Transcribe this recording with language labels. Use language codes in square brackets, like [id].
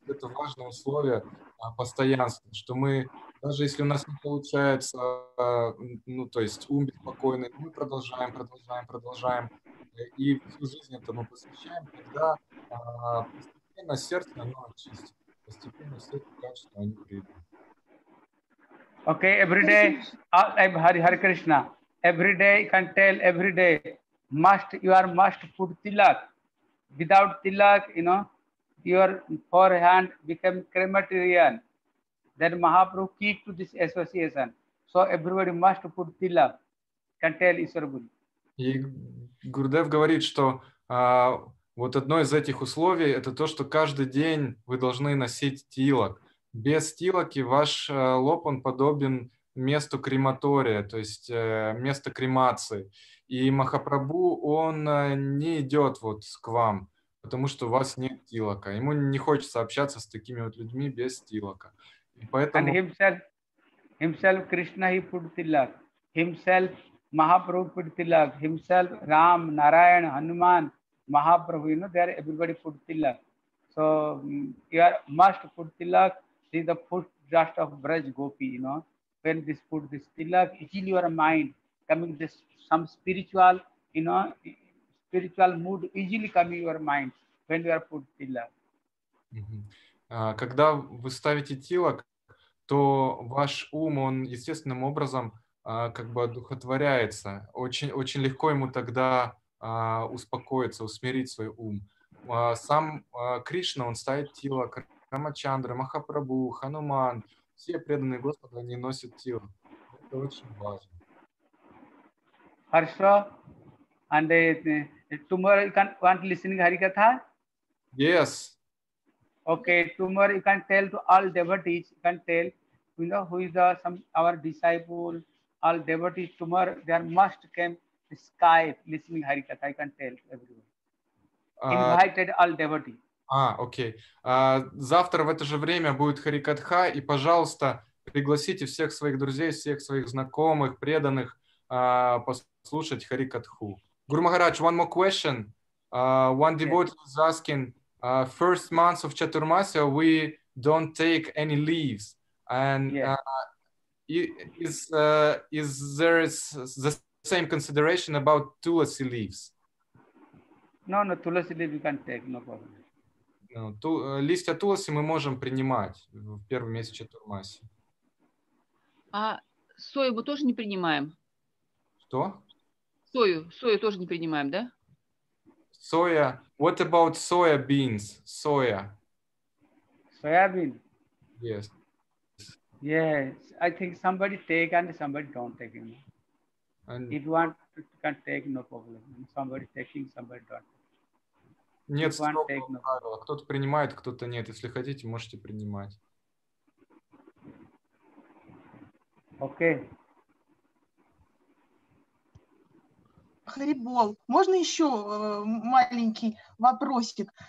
[ru] Это важное условие постоянства, что мы, даже если у нас не получается, ну, то есть ум беспокойный, мы продолжаем. И всю жизнь этому посвящаем, тогда постепенно сердце, оно очистит. Постепенно сердце, качество, они придут. [en] Okay, every day, Hare Krishna, every day you can tell, every day, must, you are must put tilak. Without tilak, you know, your forehand became crematorium, then Mahaprabhu keep to this association. So everybody must put tilak. Can tell Ishwar Guru. [ru] И Гурдев говорит, что вот одно из этих условий – это то, что каждый день вы должны носить тилак. Без тилаки ваш лоб, он подобен месту крематория, то есть место кремации. И Махапрабху, он не идет вот к вам, потому что у вас нет тилака. Ему не хочется общаться с такими вот людьми без тилака. И поэтому... [en] And himself, Krishna, he put tilak. Himself, Mahaprabhu put tilak. Himself, Ram, Narayan, Hanuman, Mahaprabhu, you know, there everybody put tilak. So you are must put tilak. See the first dust of Braj Gopi, you know. When this put this tilak, it's in your mind, coming this some spiritual, you know, spiritual mood easily come in your mind when you are put tilak. [ru] Когда вы ставите тилак, то ваш ум, он естественным образом как бы одухотворяется. Очень, очень легко ему тогда успокоиться, усмирить свой ум. Сам Кришна, он ставит тилак, Рамачандра, Махапрабху, Хануман, все преданные Господа, они носят тело. Это очень важно. Хорошо. [en] And tomorrow you can want listening Harikatha? Yes. Okay, tomorrow you can tell to all devotees, you can tell, you know, who is the, some, our disciple, all devotees, tomorrow they are must come Skype listening Harikatha, you can tell everyone. Invited all devotees. [ru] А, окей. Завтра в это же время будет Харикатха, и, пожалуйста, пригласите всех своих друзей, всех своих знакомых, преданных послушать Харикатху. [en] Гуру Махарадж, one more question. One devotee was asking, first month of Chaturmasya, we don't take any leaves. And is there is the same consideration about Tulasi leaves? No, Tulasi leaves you can take, no problem. [ru] Листья туласи мы можем принимать в первый месяц Чатурмаси. А сою мы тоже не принимаем? Что? Сою тоже не принимаем, да? Соя. [en] What about soya beans? Соя. Soya bean? Yes. Yes. I think somebody take and somebody don't take. If you want, you can take, no problem. Somebody taking, somebody don't take. [ru] Нет строгого правила. Кто-то принимает, кто-то нет. Если хотите, можете принимать. Окей. [en] Okay. [ru] Харибол, можно еще маленький вопросик?